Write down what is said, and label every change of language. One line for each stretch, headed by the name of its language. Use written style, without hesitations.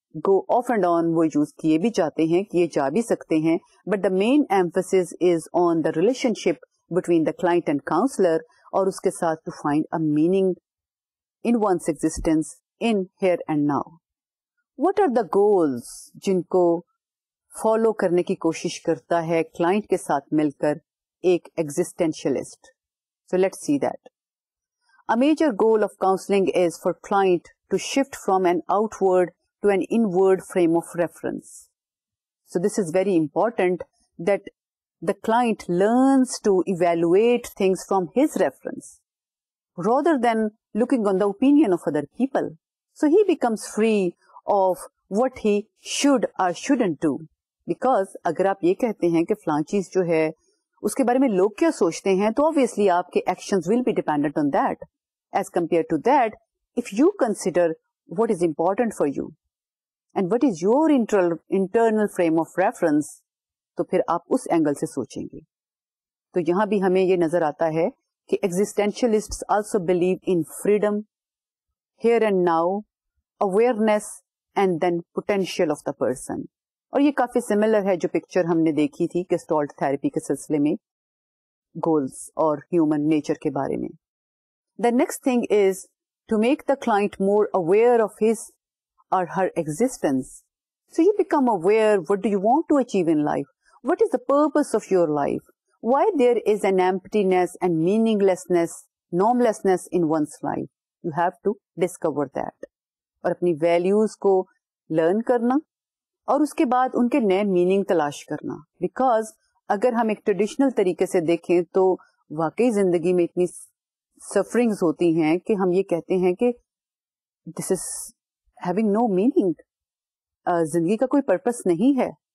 English: Go off and on
Urdu: wo use kiye bhi jate hain, kiye ja bhi sakte hain,
English: but the main emphasis is on the relationship between the client and counselor
Urdu: aur uske sath
English: to find a meaning in one's existence in here and now. What are the goals
Urdu: jinko follow کرنے کی کوشش کرتا ہے client کے ساتھ مل کر ایک existentialist?
English: So let see that. A major goal of counselling is for client to shift from an outward to an inward frame of reference. So this is very important that the client learns to evaluate things from his reference rather than looking on the opinion of other people. So he becomes free of what he should or shouldn't do.
Urdu: Because اگر آپ یہ کہتے ہیں کہ فلان چیز جو ہے اس کے بارے میں لوگ کیا سوچتے ہیں, تو obviously آپ کے actions
English: will be dependent on that. As compared to that, if you consider what is important for you and what is your internal frame of reference,
Urdu: تو پھر آپ اس angle سے سوچیں گے. تو یہاں بھی ہمیں یہ نظر آتا ہے کہ
English: existentialists also believe in freedom, here and now, awareness, and then potential of the person.
Urdu: اور یہ کافی سملر ہے جو پکچر ہم نے دیکھی تھی گیسٹالٹ تھراپی کے سلسلے میں گولز اور ہیومن نیچر کے بارے میں.
English: The next thing is to make the client more aware of his or her existence. So you become aware, what do you want to achieve in life? What is the purpose of your life? Why there is an emptiness and meaninglessness, normlessness in one's life? You have to discover that.
Urdu: اور اپنی values کو learn کرنا اور اس کے بعد ان کے نئے meaning تلاش کرنا. بیکاز اگر ہم ایک ٹریڈیشنل طریقے سے دیکھیں تو واقعی زندگی میں اتنی سفرنگز ہوتی ہیں کہ ہم یہ کہتے ہیں کہ
English: this is having no meaning,
Urdu: زندگی کا کوئی پرپس نہیں ہے.